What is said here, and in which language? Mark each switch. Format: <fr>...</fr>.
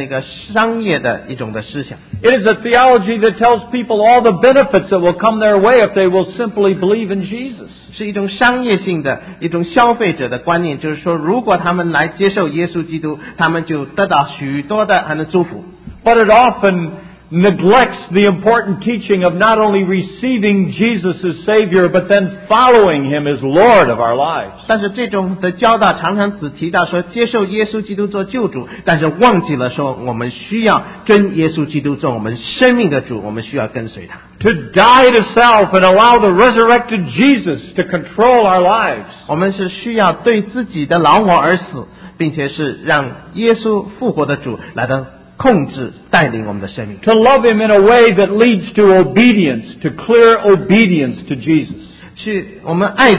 <zh>是一种那个可以说是那个商业的一种的思想。</zh> <en>It is a theology that tells people all the benefits that will come their way if they will simply believe in Jesus.</en> <zh>是一种商业性的一种消费者的观念，就是说，如果他们来接受耶稣基督，他们就得到许多的祝福。</zh> <en>But it often neglects the important teaching of not only receiving Jesus as Savior, but then following Him as Lord of our lives.</en> <zh>但是这种的教导常常只提到说接受耶稣基督做救主，但是忘记了说我们需要真耶稣基督做我们生命的主，我们需要跟随他。</zh> <en>To die to self and allow the resurrected Jesus to control our lives.</en> <zh>我们是需要对自己的老我而死，并且是让耶稣复活的主来当。</zh> <en>To love Him in a way that leads to obedience, to clear obedience to Jesus.</en>